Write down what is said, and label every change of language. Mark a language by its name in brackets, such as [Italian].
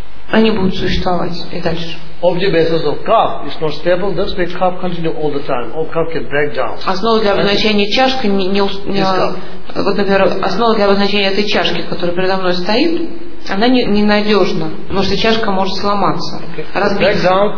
[Russian] Они будут существовать и дальше. [English] Object basis of cup is not stable. That's why cup continue all the time. All cup can break down. [Russian] Основа для обозначения чашки не вот, например, основа для обозначения этой чашки, которая передо мной стоит. Она ненадежна, потому что чашка может сломаться, разбиться.